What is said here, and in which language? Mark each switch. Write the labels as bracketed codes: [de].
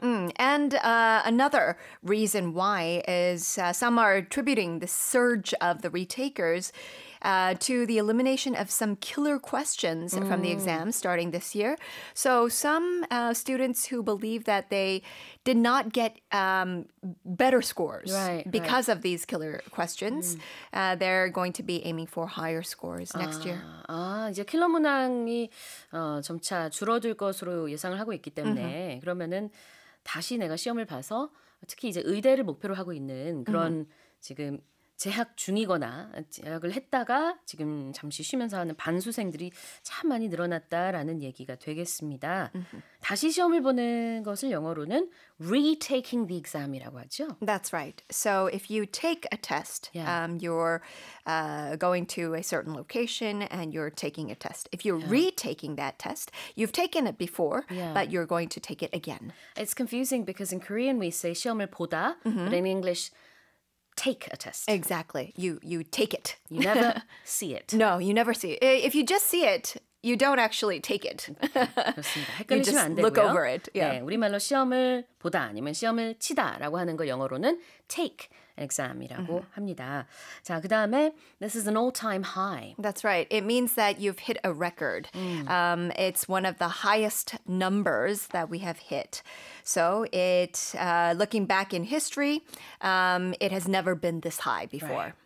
[en] And another reason why is some are attributing the surge of the retakers to the elimination of some killer questions from the exam starting this year. So some students who believe that they did not get better scores because of these killer questions, they're going to be aiming for higher scores next year. [ko] 아, 이제 킬러 문항이 점차 줄어들 것으로 예상을 하고 있기 때문에 그러면은 다시 내가 시험을 봐서 특히 이제 의대를 목표로 하고 있는 그런 지금 재학 중이거나 재학을 했다가 지금 잠시 쉬면서 하는 반수생들이 참 많이 늘어났다라는 얘기가 되겠습니다. 다시 시험을 보는 것을 영어로는 [en] retaking the exam [ko] 이라고 하죠. [en] That's right. So if you take a test, you're going to a certain location and you're taking a test. If you're retaking that test, you've taken it before, but you're going to take it again. It's confusing because in Korean we say [ko] 시험을 보다, [en] but in English take a test. Exactly. You take it. You never see it. No, you never see it. If you just see it, you don't actually take it. You just look over it. Yeah. [ko] 네, 우리말로 시험을 보다 아니면 시험을 치다라고 하는 거 영어로는 [en] take exam [ko] 이라고 합니다. 자, 그다음에 [en] this is an all-time high. That's right. It means that you've hit a record. It's one of the highest numbers that we have hit. So it, looking back in history, it has never been this high before.